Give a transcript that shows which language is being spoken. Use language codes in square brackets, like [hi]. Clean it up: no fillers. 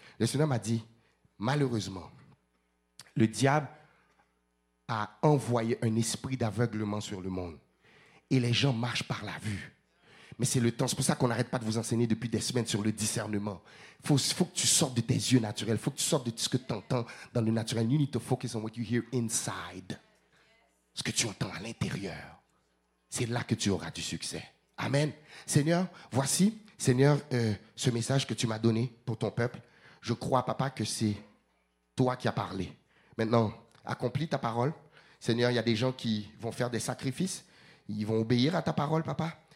[fr] Le Seigneur m'a dit, malheureusement, le diable a envoyé un esprit d'aveuglement sur le monde. Et les gens marchent par la vue. Mais c'est le temps, c'est pour ça qu'on n'arrête pas de vous enseigner depuis des semaines sur le discernement. Il faut que tu sortes de tes yeux naturels, il faut que tu sortes de ce que tu entends dans le naturel. [en] You need to focus on what you hear inside. [fr] Ce que tu entends à l'intérieur, c'est là que tu auras du succès. Amen. Seigneur, voici, Seigneur, ce message que tu m'as donné pour ton peuple. Je crois, papa, que c'est toi qui as parlé. Maintenant, accomplis ta parole. Seigneur, il y a des gens qui vont faire des sacrifices. Ils vont obéir à ta parole, papa.